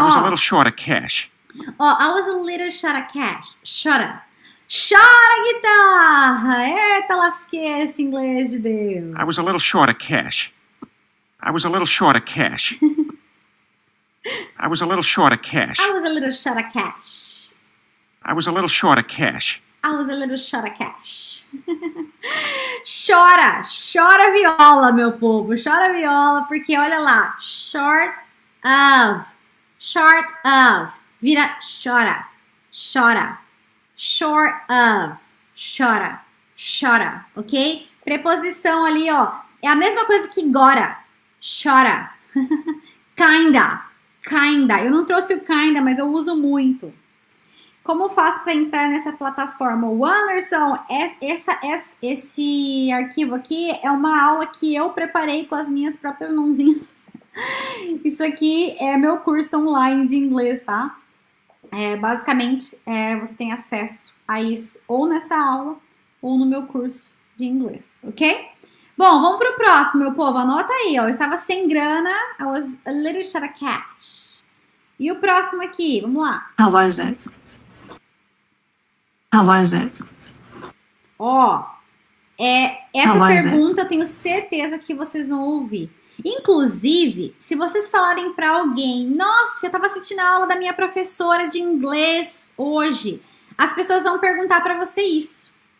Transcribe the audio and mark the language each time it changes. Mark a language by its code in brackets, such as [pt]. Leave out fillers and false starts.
[en] I was a little short of cash. Ó, I was a little short of cash, [pt] Chora, guitarra! Eita, lasquei esse inglês de Deus. [en] I was a little short of cash. I was a little short of cash. I was a little short of cash. I was a little short of cash. I was a little short of cash. I was a little short of cash. [pt] Chora! Chora viola, meu povo! Chora viola, porque olha lá. [en] Short of. Short of. [pt] Vira chora. Chora. Short of, chora, chora, ok? Preposição ali, ó, é a mesma coisa que gora, chora, kinda. Eu não trouxe o kinda, mas eu uso muito. Como faço para entrar nessa plataforma? O Anderson, esse arquivo aqui é uma aula que eu preparei com as minhas próprias mãozinhas. Isso aqui é meu curso online de inglês, tá? Basicamente, você tem acesso a isso ou nessa aula ou no meu curso de inglês, ok? Bom, vamos pro próximo, meu povo. Anota aí, ó. Eu estava sem grana. [en] I was a little short of cash. [pt] E o próximo aqui, vamos lá. [en] How was it? How was it? [pt] Ó, essa pergunta eu tenho certeza que vocês vão ouvir. Inclusive, se vocês falarem para alguém, nossa, eu tava assistindo a aula da minha professora de inglês hoje, as pessoas vão perguntar para você isso.